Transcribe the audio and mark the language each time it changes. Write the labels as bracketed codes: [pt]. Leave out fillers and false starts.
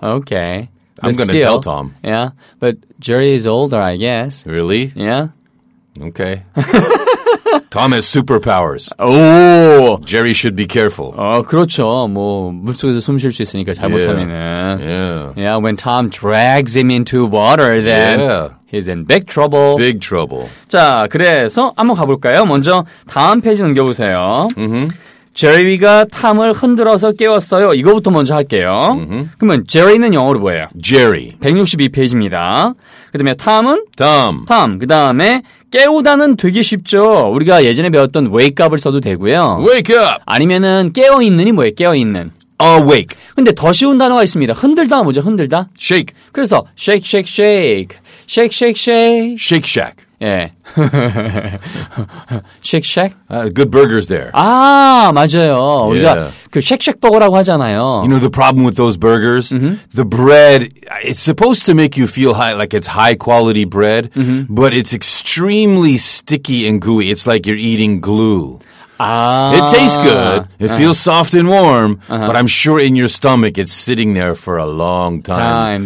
[en] Okay. I'm going to tell Tom. Yeah, but Jerry is older, I guess. Really? Yeah. Okay. Tom has superpowers. Oh! Jerry should be careful. [ko] 그렇죠. 뭐, 물 속에서 숨 쉴 수 있으니까 잘못하면은. [en] Yeah. Yeah, when Tom drags him into water, then he's in big trouble. Big trouble. [ko] 자, 그래서 한번 가볼까요? 먼저 다음 페이지 넘겨보세요. Jerry가 탐을 흔들어서 깨웠어요. 이거부터 먼저 할게요. Mm-hmm. 그러면 Jerry는 영어로 뭐예요? [en] Jerry. [ko] 162페이지입니다. 그 다음에 탐은? [en] Tom. Tom. [ko] 그 다음에 깨우다는 되게 쉽죠. 우리가 예전에 배웠던 [en] wake up [ko] 을 써도 되고요. [en] Wake up. [ko] 아니면은 깨어있는이 뭐예요? 깨어있는. [en] Awake. [ko] 근데 더 쉬운 단어가 있습니다. 흔들다 뭐죠? 흔들다? [en] Shake. 그래서 shake, shake, shake. Shake, shake, shake. Shake, shack. [ko] 예. 쉑쉑? [en] Good burgers there. [ko] 아, 맞아요. 우리가 그 쉑쉑 버거라고 하잖아요. [en] You know the problem with those burgers? Mm-hmm. The bread, it's supposed to make you feel high, like it's high quality bread, mm-hmm. but it's extremely sticky and gooey. It's like you're eating glue. 아. It tastes good. It feels soft and warm, but I'm sure in your stomach it's sitting there for a long time.